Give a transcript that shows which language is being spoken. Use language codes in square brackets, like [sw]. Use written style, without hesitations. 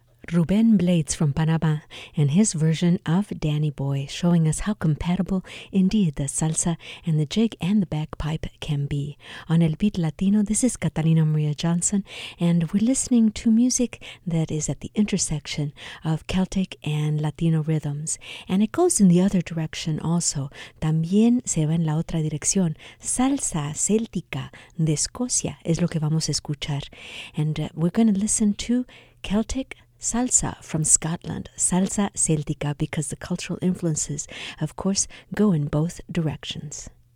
[en] Ruben Blades from Panama and his version of Danny Boy, showing us how compatible indeed the salsa and the jig and the bagpipe can be. On El Beat Latino, this is Catalina Maria Johnson, and we're listening to music that is at the intersection of Celtic and Latino rhythms. And it goes in the other direction also. [es] También se va en la otra dirección. Salsa céltica de Escocia es lo que vamos a escuchar. [en] And we're going to listen to Celtic salsa from Scotland, salsa céltica, because the cultural influences, of course, go in both directions.